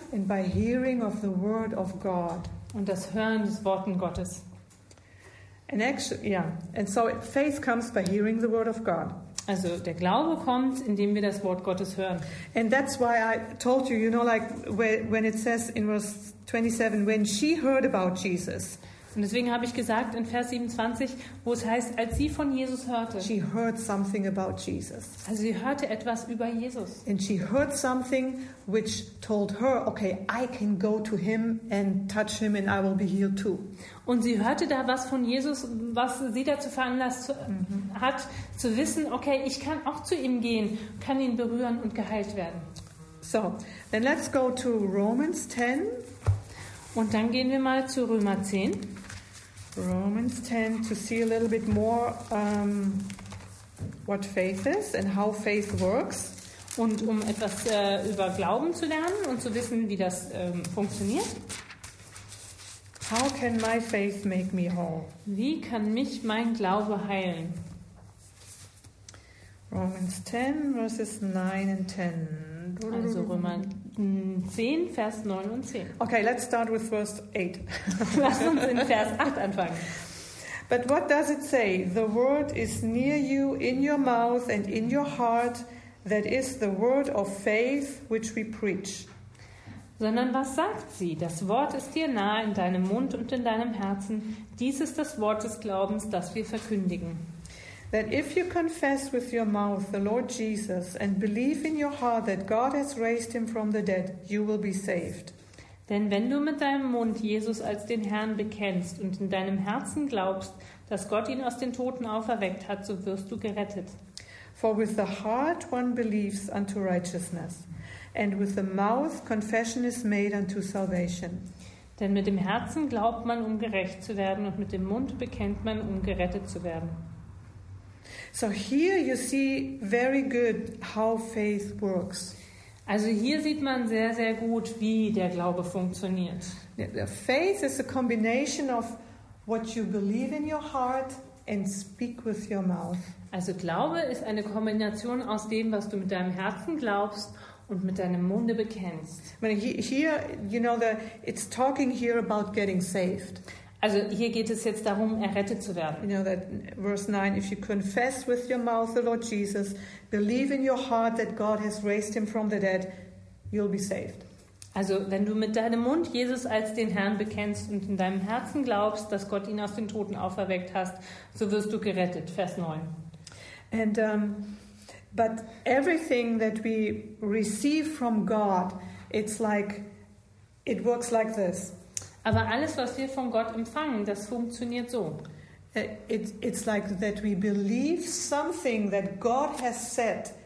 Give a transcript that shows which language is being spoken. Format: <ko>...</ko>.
<en>And by hearing of the word of God.</en> <de>Und das Hören des Worten Gottes.</de> <en>And actually, and so faith comes by hearing the word of God.</en> <de>Also der Glaube kommt, indem wir das Wort Gottes hören.</de> <en>And that's why I told you, when it says in verse 27, when she heard about Jesus.</en> <de>Und deswegen habe ich gesagt in Vers 27, wo es heißt, als sie von Jesus hörte.</de> <en>She heard something about Jesus.</en> <de>Also sie hörte etwas über Jesus.</de> <en>And she heard something which told her, okay, I can go to him and touch him and I will be healed too.</en> <de>Und sie hörte da was von Jesus, was sie dazu veranlasst hat, zu wissen, okay, ich kann auch zu ihm gehen, kann ihn berühren und geheilt werden.</de> <en>So, then let's go to Romans 10.</en> <de>Und dann gehen wir mal zu Römer 10.</de> <en>Romans 10, to see a little bit more what faith is and how faith works.</en> <de>Und um etwas über Glauben zu lernen und zu wissen, wie das funktioniert.</de> <en>How can my faith make me whole?</en> <de>Wie kann mich mein Glaube heilen?</de> <en>Romans 10, verses 9 and 10.</en> <de>Also Römer 10, Vers 9 und 10.</de> <en>Okay, let's start with verse 8.</en> <de>Lass uns in Vers 8 anfangen.</de> <en>But what does it say? The word is near you, in your mouth and in your heart. That is the word of faith which we preach.</en> <de>Sondern was sagt sie? Das Wort ist dir nahe in deinem Mund und in deinem Herzen. Dies ist das Wort des Glaubens, das wir verkündigen.</de> <en>That if you confess with your mouth the Lord Jesus and believe in your heart that God has raised him from the dead, you will be saved.</en> <de>Denn wenn du mit deinem Mund Jesus als den Herrn bekennst und in deinem Herzen glaubst, dass Gott ihn aus den Toten auferweckt hat, so wirst du gerettet.</de> <en>For with the heart one believes unto righteousness, and with the mouth confession is made unto salvation.</en> <de>Denn mit dem Herzen glaubt man, um gerecht zu werden, und mit dem Mund bekennt man, um gerettet zu werden.</de> <en>So here you see very good how faith works.</en> <de>Also hier sieht man sehr, sehr gut, wie der Glaube funktioniert.</de> <en>Faith is a combination of what you believe in your heart and speak with your mouth.</en> <de>Also Glaube ist eine Kombination aus dem, was du mit deinem Herzen glaubst und mit deinem Munde bekennst.</de> <en>Here, you know, it's talking here about getting saved.</en> <de>Also hier geht es jetzt darum, errettet zu werden.</de> <en>You know that verse 9, if you confess with your mouth the Lord Jesus, believe in your heart that God has raised him from the dead, you'll be saved.</en> <de>Also wenn du mit deinem Mund Jesus als den Herrn bekennst und in deinem Herzen glaubst, dass Gott ihn aus den Toten auferweckt hast, so wirst du gerettet. Vers 9.</de> <en>And but everything that we receive from God, it's like, it works like this.</en> <de>Aber alles, was wir von Gott empfangen, das funktioniert so.</de> <en>It's like that we believe something that God has said.</en>